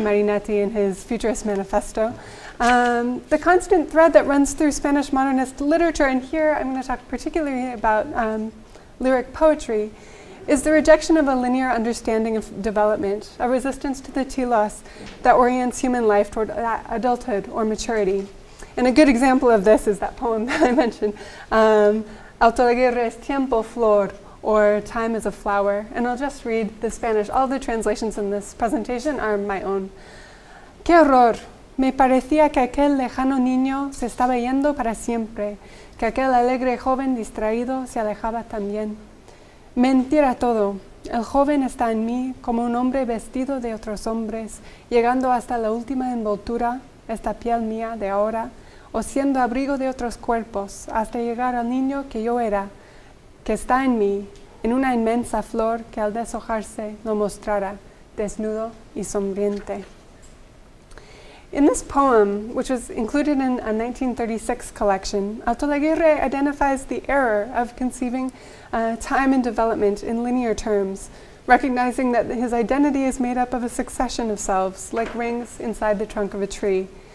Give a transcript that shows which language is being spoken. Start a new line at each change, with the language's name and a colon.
English: Marinetti in his Futurist Manifesto, the constant thread that runs through Spanish modernist literature, and here I'm going to talk particularly about lyric poetry, is the rejection of a linear understanding of development, a resistance to the telos that orients human life toward adulthood or maturity. And a good example of this is that poem that I mentioned, Altolaguirre es tiempo flor, or time is a flower. And I'll just read the Spanish. All the translations in this presentation are my own.
Spanish: Qué horror! Me parecía que aquel lejano niño se estaba yendo para siempre, que aquel alegre joven distraído se alejaba también. Mentira todo. El joven está en mí como un hombre vestido de otros hombres, llegando hasta la última envoltura, esta piel mía de ahora, o siendo abrigo de otros cuerpos, hasta llegar al niño que yo era, que está en mí, en una inmensa flor que al deshojarse lo mostrara, desnudo y sombriente.
English: In this poem, which was included in a 1936 collection, Alto Laguerre identifies the error of conceiving time and development in linear terms, recognizing that his identity is made up of a succession of selves, like rings inside the trunk of a tree.